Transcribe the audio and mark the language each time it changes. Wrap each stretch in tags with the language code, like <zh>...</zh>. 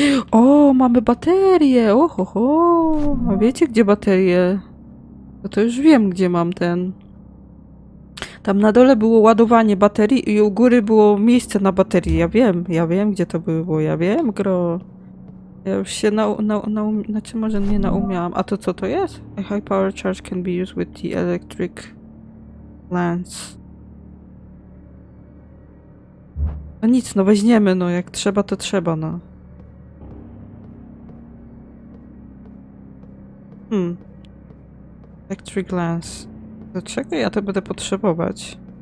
<pl>O, mamy baterię! Ohoho! A wiecie, gdzie baterie? No to już wiem, gdzie mam ten. Tam na dole było ładowanie baterii i u góry było miejsce na baterii. Ja wiem, gdzie to było. Ja wiem, gro. Ja już się znaczy może nie naumiałam. A to co to jest?</pl> <en>A high power charge can be used with the electric lens.</en> <pl>No nic, no weźmiemy, no jak trzeba, to trzeba, no. Electric lens. Dlaczego ja to będę potrzebować?</pl>